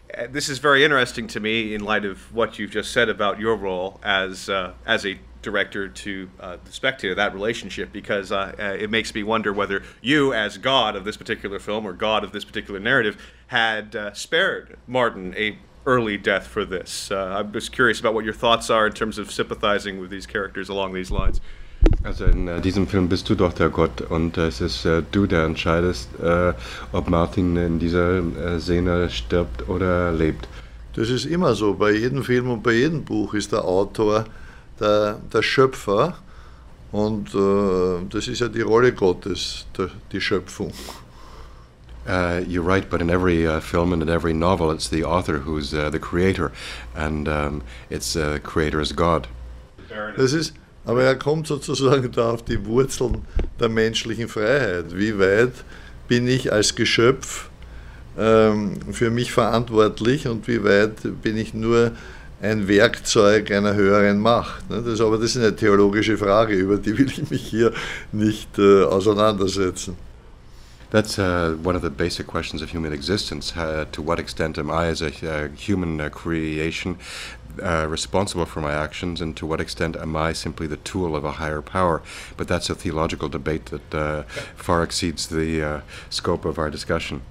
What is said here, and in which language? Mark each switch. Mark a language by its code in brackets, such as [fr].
[en] This is very interesting to me in light of what you've just said about your role as a director to the spectator, that relationship, because it makes me wonder whether you, as God of this particular film or God of this particular narrative, had spared Martin a early death for this. I'm just curious about what your thoughts are in terms of sympathizing with these characters along these lines. [de] Also in diesem Film bist du doch der Gott und es ist du, der entscheidest, ob Martin in dieser Szene stirbt oder lebt. Das ist immer so. Bei jedem Film und bei jedem Buch ist der Autor der Schöpfer und das ist ja die Rolle Gottes, die Schöpfung. [en] You're right, but in every film and in every novel it's the author who's the creator and it's creator is God. [de] Das ist... Aber er kommt sozusagen da auf die Wurzeln der menschlichen Freiheit. Wie weit bin ich als Geschöpf für mich verantwortlich und wie weit bin ich nur ein Werkzeug einer höheren Macht? Das ist eine theologische Frage, über die will ich mich hier nicht auseinandersetzen. [en] That's one of the basic questions of human existence. To what extent am I as a human creation responsible for my actions, and to what extent am I simply the tool of a higher power? But that's a theological debate that far exceeds the scope of our discussion.